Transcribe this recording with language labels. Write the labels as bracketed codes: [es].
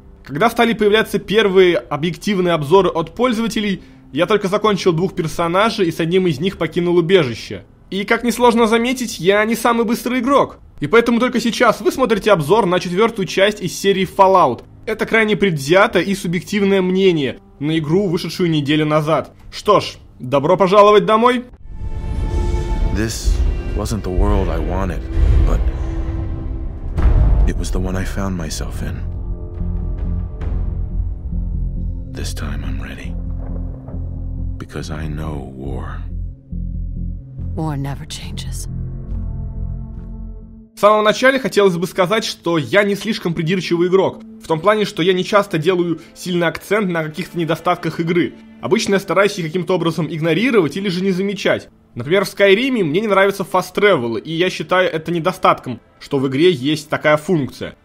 [ru] Когда стали появляться первые объективные обзоры от пользователей, я только закончил двух персонажей и с одним из них покинул убежище. И как несложно заметить, я не самый быстрый игрок. И поэтому только сейчас вы смотрите обзор на четвертую часть из серии Fallout. Это крайне предвзятое и субъективное мнение на игру, вышедшую неделю назад. Что ж, добро пожаловать домой! [en] This wasn't the world I wanted, but it was the one I found myself in. This time I'm ready, because I know war. War never changes. [ru] В самом начале хотелось бы сказать, что я не слишком придирчивый игрок, в том плане, что я не часто делаю сильный акцент на каких-то недостатках игры. Обычно я стараюсь их каким-то образом игнорировать или же не замечать. Например, в Skyrim мне не нравятся фаст-тревелы, и я считаю это недостатком, что в игре есть такая функция.